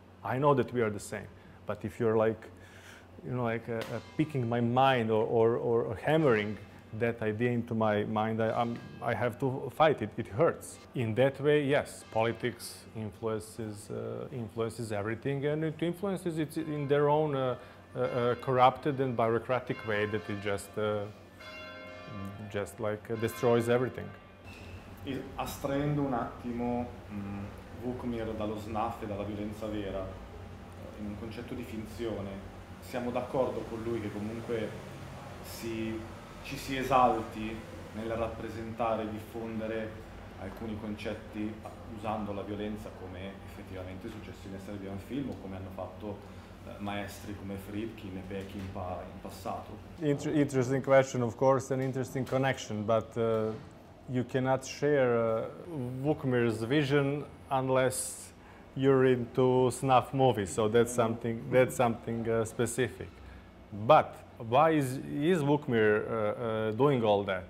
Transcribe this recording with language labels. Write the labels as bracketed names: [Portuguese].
[English] I know that we are the same, but if you're like, you know, like picking my mind or hammering that idea into my mind, I have to fight it. It hurts. In that way, yes, politics influences everything, and it influences it in their own corrupted and bureaucratic way that it just like destroys everything. [Italian] Astraendo un attimo Vukmir dallo snaff e dalla violenza vera, in un concetto di finzione. Siamo d'accordo con lui che comunque ci si esalti nel rappresentare e diffondere alcuni concetti usando la violenza, come effettivamente è successo in Serbian film o come hanno fatto maestri come Friedkin e Peckinpah in passato. [English] Interesting question, of course, an interesting connection, but you cannot share Vukmir's vision unless you're into snuff movies, so that's something specific. But why is Vukmir doing all that?